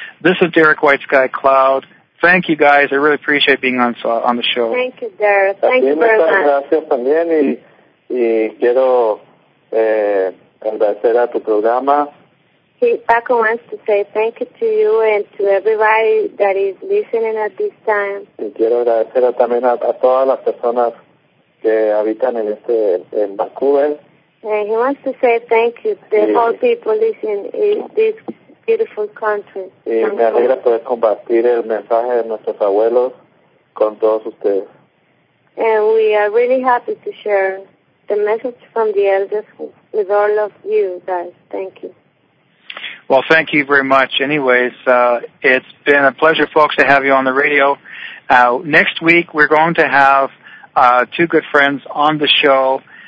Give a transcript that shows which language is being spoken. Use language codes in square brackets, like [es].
[en] This is Derek Whitesky Cloud. Thank you, guys. I really appreciate being on the show. Thank you, Derek. Thank you very much. [es] Gracias también. Y quiero agradecer a tu programa. [en] Paco wants to say thank you to you and to everybody that is listening at this time. [es] Y quiero agradecer también a todas las personas que habitan en este en Vancouver. [en] And he wants to say thank you to all people listening in this beautiful country. [es] Y me alegra poder compartir el mensaje de nuestros abuelos con todos ustedes. [en] And we are really happy to share the message from the elders with all of you guys. Thank you. Well, thank you very much. Anyways, it's been a pleasure, folks, to have you on the radio. Next week, we're going to have two good friends on the show.